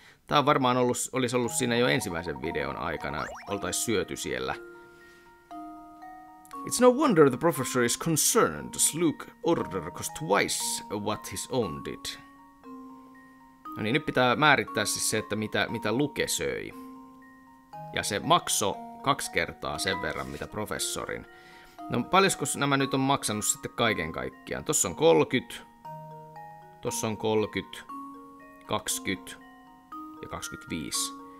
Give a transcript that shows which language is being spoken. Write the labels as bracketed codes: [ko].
[fi] Tää on varmaan olisi ollut siinä jo ensimmäisen videon aikana, oltais syöty siellä. [en] It's no wonder the professor is concerned. Does Luke order cost twice what his own did? [fi] No niin, nyt pitää määrittää siis se, että mitä Luke söi. Ja se maksoi 2 kertaa sen verran, mitä professorin. No paljonko nämä nyt on maksanut sitten kaiken kaikkiaan? Tossa on 30. Tossa on 30. 20. Ja 25.